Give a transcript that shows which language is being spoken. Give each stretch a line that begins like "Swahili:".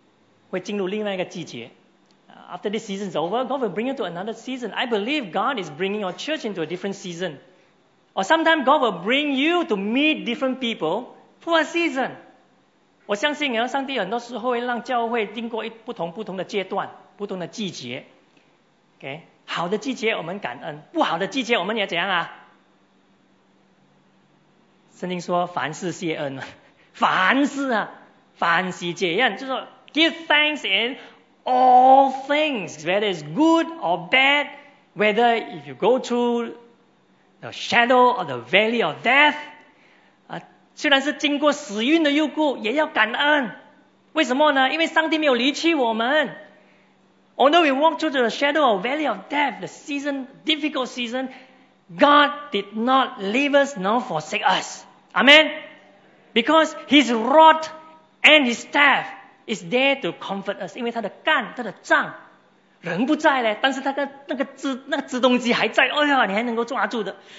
Chinese: 所以你们知道,季节是不会长久的。季节一过了,会进入另外一个季节。
English: After this season is over, God will bring you to another season. I believe God is bringing your church into a different season. Or sometimes God will bring you to meet different people for a season.
Chinese: 我相信上帝很多时候会让教会经过不同的阶段，不同的季节。
English: Okay?
Chinese: 好的季节我们感恩，不好的季节我们也怎样啊？圣经说凡事谢恩，凡事啊，凡事谢恩， 就说
English: give thanks in all things, whether it's good or bad, whether if you go through the shadow of the valley of death,
Chinese: 虽然是经过死运的诱惑，也要感恩。为什么呢？因为上帝没有离弃我们。
English: Although we walk through the shadow of the valley of death, the season, difficult season, God did not leave us nor forsake us. Amen? Because His rod and His staff is there to comfort us.
Chinese: 因为他的杖，人不在了，但是他的那个自动机还在，哎呀，你还能够抓住的。